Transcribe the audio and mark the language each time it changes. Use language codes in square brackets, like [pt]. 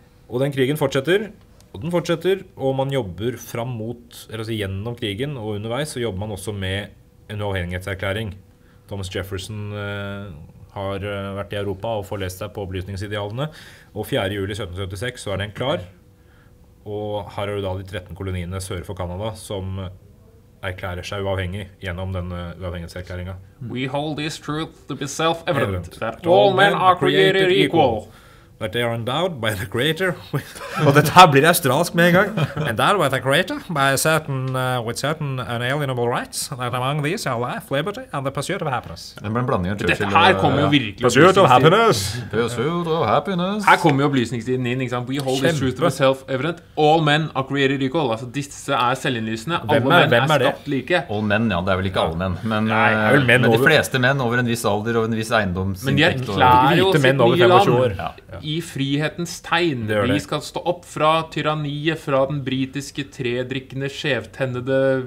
[no] Og den krigen fortsetter, og den fortsetter, og man jobber fram mot, eller altså gjennom krigen og underveis, så jobber man også med en uavhengighetserklæring. Thomas Jefferson har vært i Europa og får lest seg på opplysningsidealene, og 4. juli 1776 så er den klar, og her har du da de 13 koloniene sør for Kanada som erklærer seg uavhengig gjennom denne uavhengighetserklæringen. [en] We hold this truth to be self-evident, that all men are created equal, that they are endowed by the creator with... [no] Og dette her blir australsk med en gang. [en] And that by the creator, by certain, with certain unalienable rights, that among these are life, liberty, and the pursuit of happiness. [no] Det blir en blanding av Churchill. Dette her kommer jo virkelig... [en] Pursuit of happiness! [no] Her kommer jo opplysningstiden inn, ikke sant? [en] We hold this truth to be self-evident. All men are created equal. [no] Altså, disse er selvinnlysende. Alle menn er skapt like. All menn, ja, det er vel ikke alle menn. Men, nei, vel menn men over... de fleste menn over en viss alder og en viss eiendomsinntekt. Men de er klær jo sitt nye land. Ja. I frihetens tegn, de skal stå opp fra tyranniet, fra den britiske, tredrikkende, skjevtennede